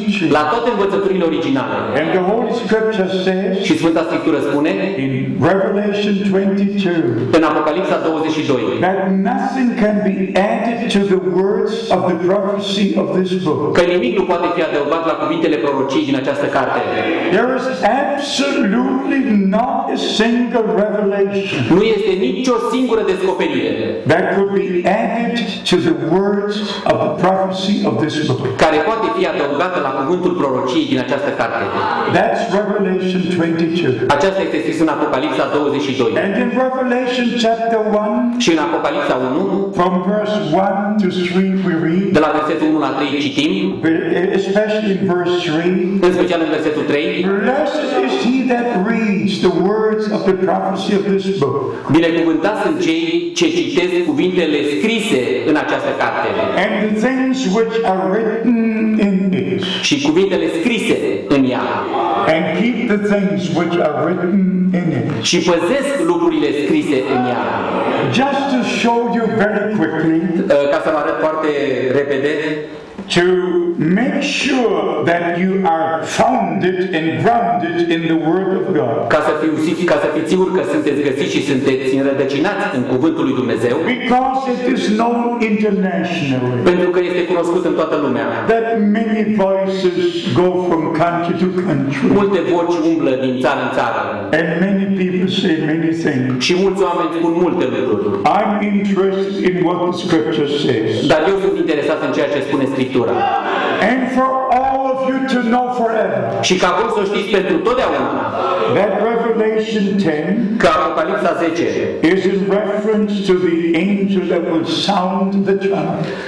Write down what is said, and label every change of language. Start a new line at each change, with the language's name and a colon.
Romanian: La toate învățăturile originale.
English: And the Holy Scripture says.
Romanian: Și Sfânta Scriptură spune.
English: In Revelation 22.
Romanian: În Apocalipsa 22.
English: That nothing can be added to the words of the prophecy of this book.
Romanian: Că nimic nu poate fi adăugat la cuvintele prorociei din această carte.
English: There is absolutely not a single revelation.
Romanian: Nu este nicio singură descoperire.
English: That could be added to the words of the prophecy of this book.
Romanian: Care poate fi adăugată la cuvântul prorociei din această carte.
English: That's Revelation 22.
Romanian: Aceasta este scris în Apocalipsa 22.
English: And in Revelation chapter 1.
Romanian: Și în Apocalipsa 1.
English: From verse 1 to 3 we read.
Romanian: De la versetul 1 la 3 citim.
English: Especially in verse 3.
Romanian: În special în versetul 3.
English: Blessed is he that reads the words of the prophecy of this book.
Romanian: Binecuvântați sunt cei ce citesc cuvintele scrise în această carte.
English: And the things which are written in it.
Romanian: Și cuvintele scrise în ea.
English: And keep the things which are written in it.
Romanian: Și păzesc lucrurile scrise în ea.
English: Just to show you very quickly.
Romanian: Ca să vă arăt foarte repede.
English: To make sure that you are founded and grounded in the word of God.
Romanian: Ca să fiți sigur că sunteți găsiți și sunteți înrădăcinați în cuvântul lui Dumnezeu.
English: Because it is known internationally.
Romanian: Pentru că este cunoscut în toată lumea.
English: That many voices go from country to country.
Romanian: Multe voci umblă din țară în țară.
English: And many people say many things.
Romanian: Și mulți oameni spun multe lucruri.
English: I'm interested in what the scripture says.
Romanian: Dar eu sunt interesat în ceea ce spune Scriptura.
English: And for all of you to know forever.
Romanian: Și ca voi să știți pentru totdeauna.
English: That Revelation 10.
Romanian: Că Apocalipsa 10.
English: Is in reference to the angel that will sound the trumpet.